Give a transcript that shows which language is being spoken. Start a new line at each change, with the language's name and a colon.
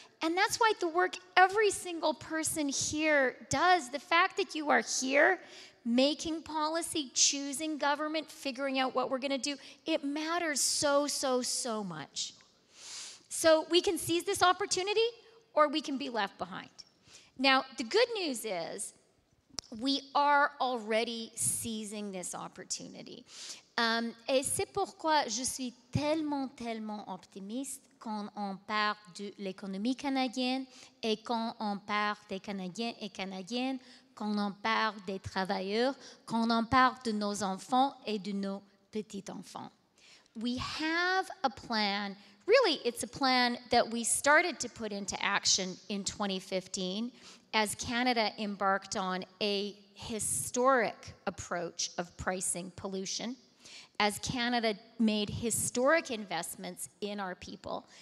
English: And that's why the work every single person here does, the fact that you are here making policy, choosing government, figuring out what we're going to do, it matters so, so, so much. So we can seize this opportunity or we can be left behind. Now, the good news is we are already seizing this opportunity.
French: Et c'est pourquoi je suis tellement, tellement optimiste quand on parle de l'économie canadienne et quand on parle des Canadiens et Canadiennes, quand on parle des travailleurs, quand on parle de nos enfants et de nos petits-enfants.
English: We have a plan. Really, it's a plan that we started to put into action in 2015 as Canada embarked on a historic approach of pricing pollution. As Canada made historic investments in our people.